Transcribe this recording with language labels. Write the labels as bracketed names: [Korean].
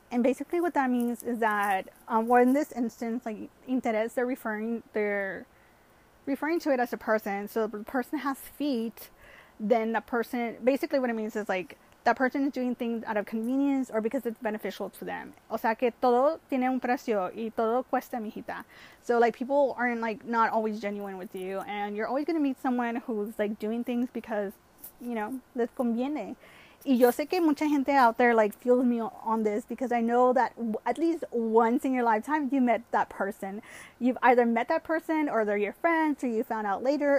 [English] And basically what that means is that, well, in this instance, like, interés, they're referring to it as a person. So if the person has feet, then the person, basically what it means is, like, that person is doing things out of convenience or because it's beneficial to them. [Spanish] O sea, que todo tiene un precio y todo cuesta, mijita. [English] So, like, people aren't, like, not always genuine with you, and you're always going to meet someone who's, like, doing things because, you know, [Spanish] les conviene. Y yo sé que mucha gente [English] out there, like, feels me on this, because I know that at least once in your lifetime, you met that person. You've either met that person, or they're your friends, or you found out later.